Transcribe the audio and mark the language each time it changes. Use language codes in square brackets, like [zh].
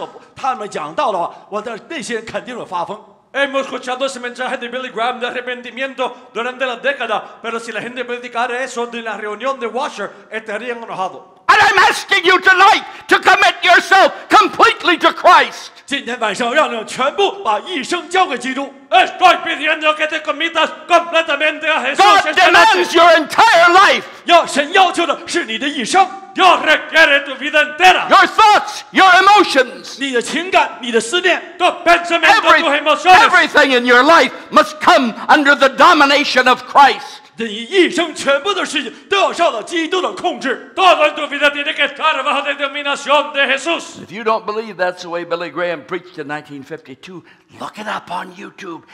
[zh] 我告诉他们，现在他葛培里在1952年的时候讲的到了，就是神需要我们全部。如果他现在在那个华社，他们讲到的话，我的那些人肯定有发疯。 [es] Hemos escuchado ese mensaje de Billy Graham de arrepentimiento durante la década, pero si la gente predicara eso en la reunión de Washer, estarían enojados. [en] And I'm asking you tonight to commit yourself completely to Christ. [zh] 今天晚上让你全部把一生交给基督. [es] Estoy pidiendo que te comitas completamente a Jesús. [en] God demands your entire life. [zh] 神要求的是你的一生. [es] Dios requiere tu vida entera. [en] Your thoughts, your emotions. [zh] 你的情感，你的思念. [es] Tus pensamientos, tus emociones. [en] Everything in your life must come under the domination of Christ. [zh] 你一生全部的事情都要受到基督的控制. [es] Toda tu vida tiene que estar bajo la dominación de Jesús. [en] If you don't believe that's the way Billy Graham preached in 1952, look it up on YouTube.